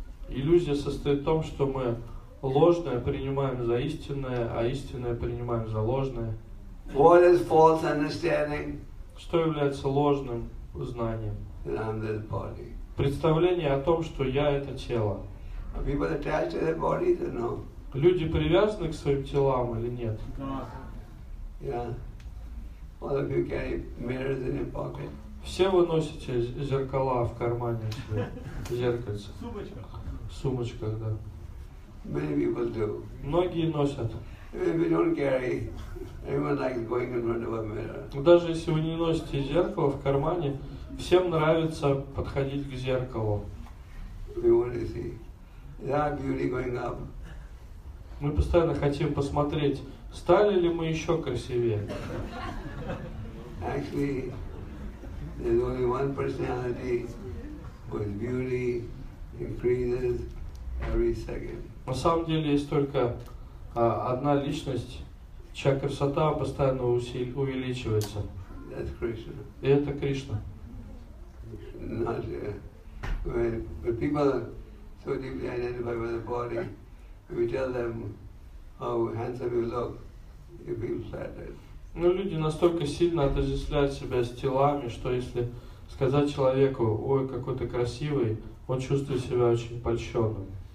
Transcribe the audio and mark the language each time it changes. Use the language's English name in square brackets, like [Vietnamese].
[Russian] Иллюзия состоит в том, что мы ложное принимаем за истинное, а истинное принимаем за ложное. [English] What is false understanding? [Russian] Что является ложным знанием? [English] That I'm this body. [Russian] Представление о том, что я — это тело. [English] Are people attached to their bodies or no? [Russian] Люди привязаны к своим телам или нет? [English] Yeah. All of you carry mirrors in your pocket. [Russian] Все вы носите зеркала в кармане себе, зеркальце. В сумочках, да. [English] Many people do. [Russian] Многие носят. [English] If you don't carry, everyone likes going in front of a mirror. [Russian] Даже если вы не носите зеркало в кармане, всем нравится подходить к зеркалу. [English] We want to see. Is our beauty going up? [Russian] Мы постоянно хотим посмотреть, стали ли мы еще красивее. [English] Actually, there's only one personality whose beauty increases every second. [Russian] На самом деле есть только одна личность, чья красота постоянно увеличивается. [English] That's Krishna. [Russian] И это Кришна. [English] Not When people are so deeply identified with the body, we tell them how handsome you look, you feel flattered. [Russian] Но люди настолько сильно отождествляют себя с телами, что если сказать человеку, ой, какой ты красивый, он чувствует себя очень польщенным.